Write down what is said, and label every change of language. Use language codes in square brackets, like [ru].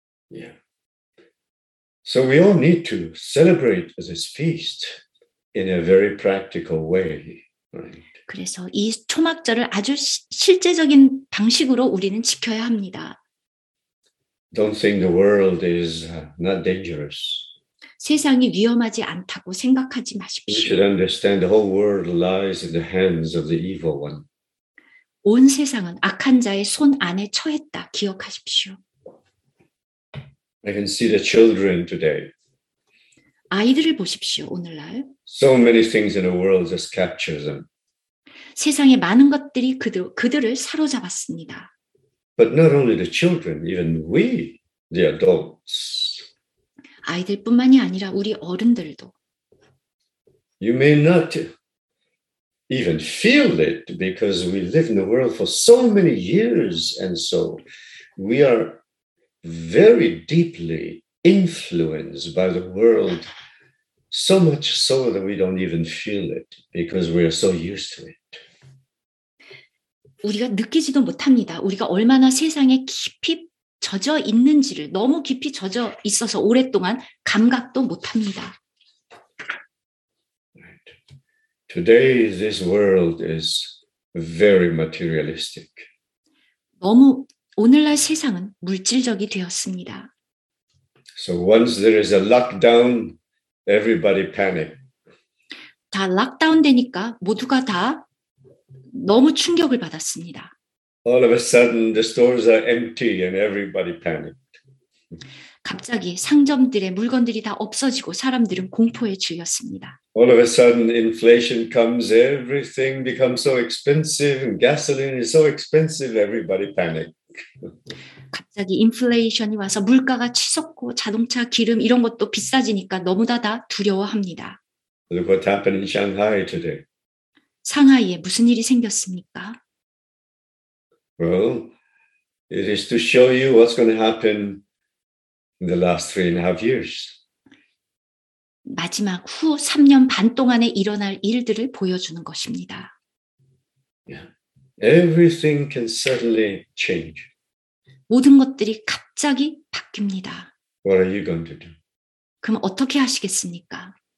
[en] Yeah. So we all need to celebrate this feast in a very practical way, right? [ko] 그래서 이 초막절을 아주 실제적인 방식으로 우리는 지켜야 합니다. [en] Don't think the world is not dangerous. [ko] 세상이 위험하지 않다고 생각하지 마십시오. [en] You should understand the whole world lies in the hands of the evil one. [ko] 온 세상은 악한 자의 손 안에 처했다. 기억하십시오. [en] I can see the children today. [ko] 아이들을 보십시오, 오늘날. [en] So many things in the world just capture them. [ko] 세상에 많은 것들이 그들을 사로잡았습니다. [en] But not only the children, even we, the adults. [ko] 아이들뿐만이 아니라 우리 어른들도. [en] You may not even feel it because we live in the world for so many years and so we are very deeply influenced by the world, so much so that we don't even feel it because we are so used to it. [ko] 우리가 느끼지도 못합니다. 우리가 얼마나 세상에 깊이 젖어 있는지를, 너무 깊이 젖어 있어서 오랫동안 감각도 못합니다. [en] Today this world is very materialistic. [ko] 너무 오늘날 세상은 물질적이 되었습니다. [en] So once there is a lockdown, everybody panic. [ko] 다 락다운 되니까 모두가 다 너무 충격을 받았습니다. [en] All of a sudden, the stores are empty and everybody panicked. [ko] 갑자기 상점들의 물건들이 다 없어지고 사람들은 공포에 질렸습니다. [en] All of a sudden, inflation comes. Everything becomes so expensive, and gasoline is so expensive. Everybody panicked. [ko] 갑자기 인플레이션이 와서 물가가 치솟고 자동차 기름 이런 것도 비싸지니까 너무나 다 두려워합니다. [en] Look what happened in Shanghai today. [ko] 상하이에 무슨 일이 생겼습니까? [en] Well, it is to show you what's going to happen in the last 3.5 years. [ko] 마지막 후 3년 반 동안에 일어날 일들을 보여주는 것입니다. [en] Yeah. Everything can suddenly change. [ko] 모든 것들이 갑자기 바뀝니다. [en] What are you going to do? [ko] 그럼 어떻게 하시겠습니까?